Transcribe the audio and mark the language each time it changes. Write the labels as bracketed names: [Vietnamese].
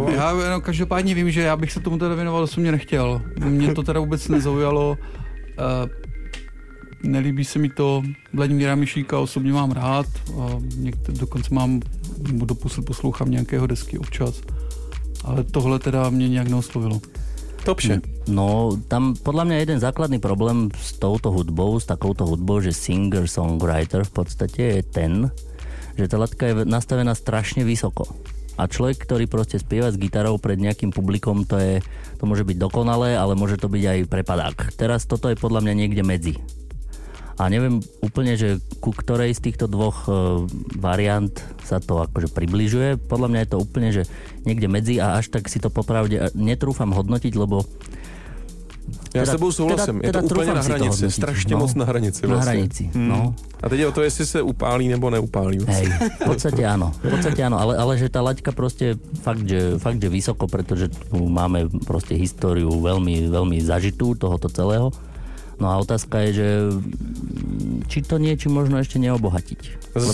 [Czech] Já každopádně vím, že já bych se tomu teda věnoval, co mě nechtěl. Mě to teda vůbec nezaujalo. Nelíbí se mi to. Vladimíra Myšíka osobně mám rád. Dokonce mám, poslouchám nějakého desky občas. Ale tohle teda mě nějak neoslovilo. Top vše. [Slovak] No, tam podľa mňa jeden základný problém s touto hudbou, že singer-songwriter v podstate je ten, že tá latka je nastavená strašne vysoko. A človek, ktorý proste spieva s gitarou pred nejakým publikom, to môže byť dokonalé, ale môže to byť aj prepadák. Teraz toto je podľa mňa niekde medzi. A neviem úplne, že ku ktorej z týchto dvoch variant sa to akože približuje. Podľa mňa je to úplne, že niekde medzi, a až tak si to popravde netrúfam hodnotiť, lebo [Czech] Ja s tebou souhlasím, je to úplne na hranici, strašne moc na hranici. Na hranici, no. A teď je o to, jestli se upálí nebo neupálí. [Slovak] Hej, v podstate áno, ale že tá laťka proste fakt, že vysoko, pretože tu máme proste históriu veľmi, veľmi zažitú tohoto celého. No a otázka je, že či to niečo možno ešte neobohatiť.